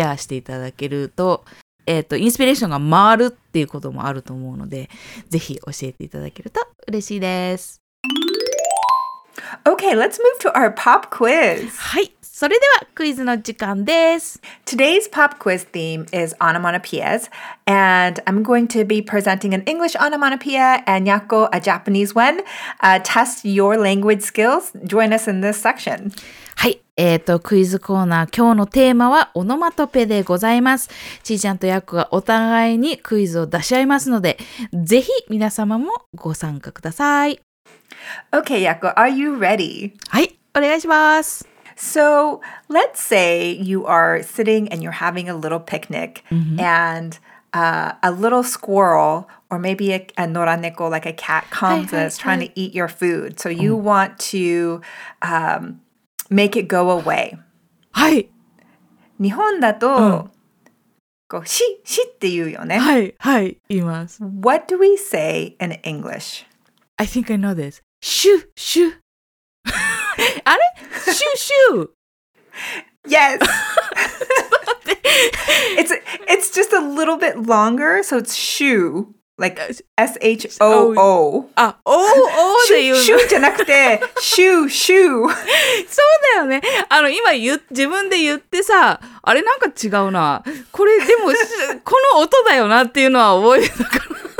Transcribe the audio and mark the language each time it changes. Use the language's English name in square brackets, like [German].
[Japanese] シェアしていただけると、インスピレーションが回るっていうこともあると思うので、ぜひ教えていただけると嬉しいです。 [English] Okay, let's move to our pop quiz. [Japanese] はい、それではクイズの時間です。 [English] Today's pop quiz theme is onomatopoeias, and I'm going to be presenting an English onomatopoeia and Yako a Japanese one. Test your language skills. Join us in this section. [Japanese] はい、クイズコーナー、今日のテーマはオノマトペでございます。ちーちゃんとヤコがお互いにクイズを出し合いますので、ぜひ皆様もご参加ください。 [English] Okay, Yako, are you ready? [Japanese] はい、お願いします。 [English] So, let's say you are sitting and you're having a little picnic、mm-hmm. and、a little squirrel or maybe a noraneko like a cat comes and is trying to eat your food. So you want to、make it go away. [Japanese] はい。日本だと、こう、し、しって言うよね。はい、はい、言います。 [English] What do we say in English? I think I know this. [Japanese] シュッシュッ。あれ？シュッシュッ。 [English] Yes. it's just a little bit longer, so it's シュ。 Like S-H-O-O. [Japanese] あ、O-O で言うの。シュッじゃなくて、シュッシュッ。そうだよね。今自分で言ってさ、あれなんか違うな。これでも、この音だよなっていうのは覚えてたから。